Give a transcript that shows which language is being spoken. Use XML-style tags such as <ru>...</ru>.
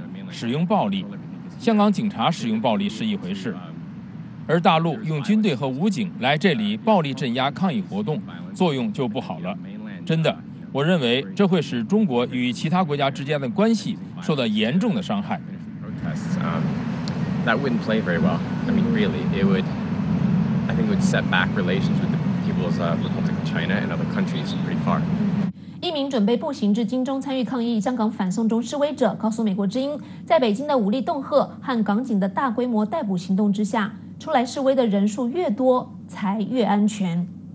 <zh>使用暴力，香港警察使用暴力是一回事，而大陆用军队和武警来这里暴力镇压抗议活动，作用就不好了。真的，我认为这会使中国与其他国家之间的关系受到严重的伤害。</zh> <en>That wouldn't play very well. I mean, really, it would set back relations with the people's relations with China and other countries pretty far.</en> <zh>一名准备步行至京中参与抗议香港反送中示威者告诉美国之音，在北京的武力恫吓和港警的大规模逮捕行动之下，出来示威的人数越多才越安全。</zh>